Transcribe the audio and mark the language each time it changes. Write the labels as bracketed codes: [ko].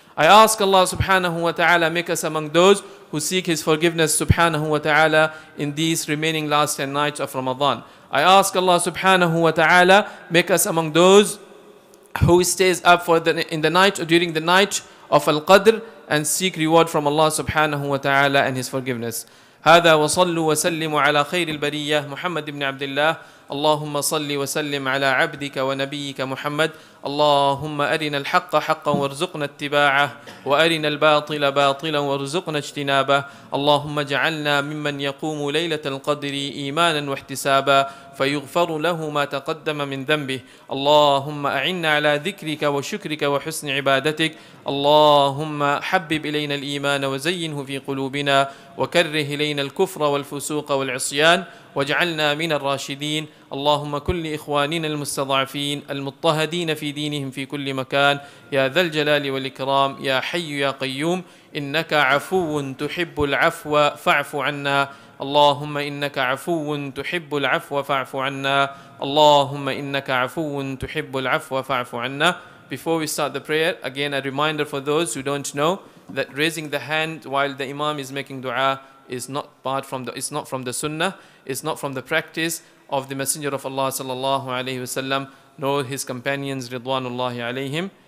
[en] I ask Allah subhanahu wa ta'ala make us among those who seek his forgiveness subhanahu wa ta'ala in these remaining last 10 nights of Ramadan. I ask Allah subhanahu wa ta'ala make us among those who stays up for during the night of Al-Qadr and seek reward from Allah subhanahu wa ta'ala and his forgiveness. [ar] هذا وصلوا وسلموا على خير البرية محمد بن عبد الله اللهم صل وسلم على عبدك ونبيك محمد اللهم أرنا الحق حقا وارزقنا اتباعه وأرنا الباطل باطلا وارزقنا اجتنابه اللهم اجعلنا ممن يقوم ليلة القدر إيمانا واحتسابا فيغفر له ما تقدم من ذنبه اللهم أعنا على ذكرك وشكرك وحسن عبادتك اللهم حبب إلينا الإيمان وزينه في قلوبنا وكره إلينا الكفر والفسوق والعصيان واجعلنا من الراشدين اللهم كل إخواننا المستضعفين المضطهدين في دينهم في كل مكان يا ذا الجلال والإكرام يا حي يا قيوم إنك عفو تحب العفو فاعف عنا اللهم إنك عفو تحب العفو فاعف عنا اللهم إنك عفو تحب العفو فاعف عنا. [en] Before we start the prayer, again a reminder for those who don't know that raising the hand while the imam is making dua is not part from the, it's not from the sunnah, it's not from the practice of the Messenger of Allah sallallahu alayhi wa sallam, nor his companions ridwanullahi alayhim.